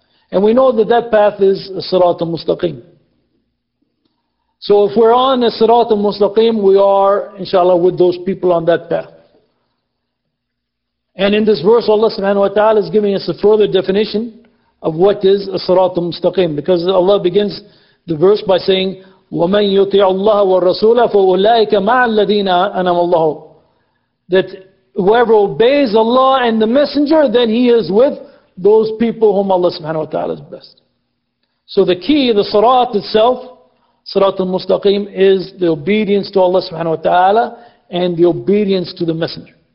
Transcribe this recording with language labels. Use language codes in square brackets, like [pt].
[en] And we know that path is as-sirat al-mustaqim. So if we're on as-sirat al-mustaqim, we are, inshallah, with those people on that path. And in this verse, Allah subhanahu wa ta'ala is giving us a further definition of what is as-sirat al-mustaqim. Because Allah begins the verse by saying, [ar] وَمَنْ يُطِعُ اللَّهَ وَالرَّسُولَ فَأُولَٰئِكَ مَعَ الَّذِينَ أَنَمَ اللَّهُ. [en] That whoever obeys Allah and the Messenger, then he is with those people whom Allah subhanahu wa ta'ala is best. So the key, the sirat itself, sirat al-mustaqim, is the obedience to Allah subhanahu wa ta'ala and the obedience to the Messenger.